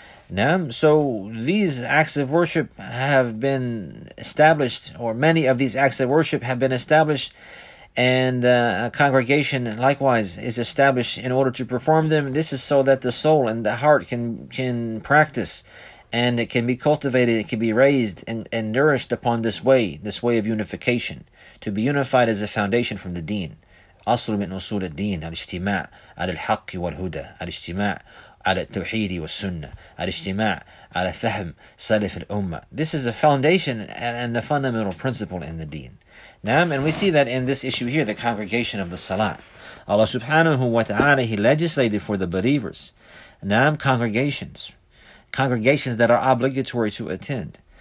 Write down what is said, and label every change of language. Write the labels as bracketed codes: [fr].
[en] Naam, so these acts of worship have been established, or many of these acts of worship have been established, and a congregation likewise is established in order to perform them. This is so that the soul and the heart can practice, and it can be cultivated, it can be raised and nourished upon this way of unification, to be unified as a foundation from the deen. [ar] أصل من أصول الدين الاجتماع على الحق والهدى الاجتماع على التوحيد والسنة الاجتماع على فهم سلف الأمة. [en] This is a foundation and a fundamental principle in the deen. Naam, and we see that in this issue here, the congregation of the Salah. Allah subhanahu wa ta'ala, He legislated for the believers. Naam, congregations. Congregations that are obligatory to attend.